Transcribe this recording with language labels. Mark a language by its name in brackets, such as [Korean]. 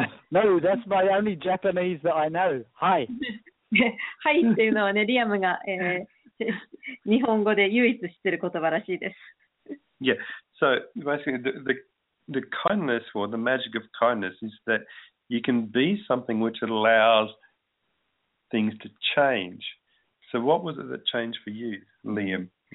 [English] No, that's my only Japanese that I know. Hi. [Japanese] Hi っていうのはね、リアムが、日本語で唯一知ってる言葉らしいです。 [English] Yeah, so basically the kindness or the magic of kindness is that you can be something which allows... things to change. So what was it that changed for you, Liam?